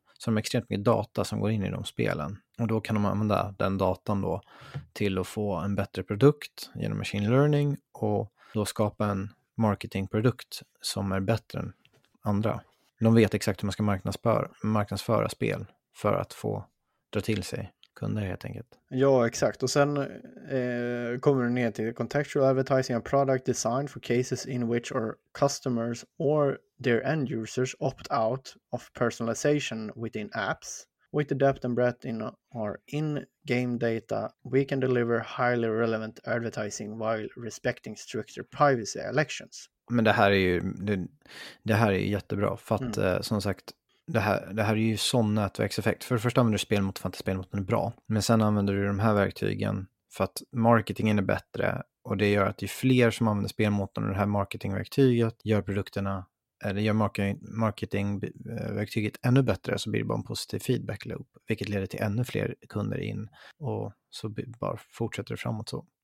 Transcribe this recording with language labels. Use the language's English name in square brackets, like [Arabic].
[Swedish] Så de har extremt mycket data som går in i de spelen, och då kan de använda den datan då till att få en bättre produkt genom machine learning och då skapa en marketingprodukt som är bättre än andra. De vet exakt hur man ska marknadsföra spel för att få dra till sig kunder helt enkelt. Ja, exakt. Och sen kommer du ner till [English] contextual advertising and product design for cases in which our customers or their end users opt out of personalization within apps. With the depth and breadth in our in-game data, we can deliver highly relevant advertising while respecting stricter privacy elections. [Swedish] Men det här är ju det här är jättebra för att som sagt det här är ju sån nätverkseffekt. För det första använder du spelmotorn är bra, men sen använder du de här verktygen för att marketingen är bättre, och det gör att ju fler som använder spelmotorn och det här marketingverktyget gör produkterna eller gör marketingverktyget ännu bättre, så blir det bara en positiv feedback loop, vilket leder till ännu fler kunder in, och så bara fortsätter det framåt så.